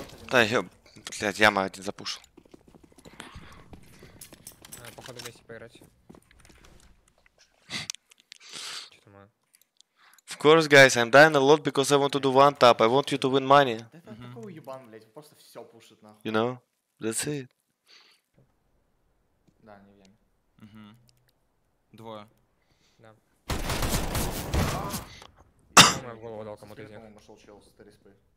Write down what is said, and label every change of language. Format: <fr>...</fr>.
<ru>Да, блядь, яма один запушил. Надо, походу, вместе поиграть. Че там?</ru> <en>Of course, guys, I'm dying a lot because I want to do one tap. I want you to win money.</en> <ru>Да это какого ебан, блядь, просто все пушит нахуй.</ru> <en>You know? That's it.</en> <ru>Да, не в яме. Двое. Да. Я в голову дал кому-то из них. Нашел чел с 3 спы.</ru>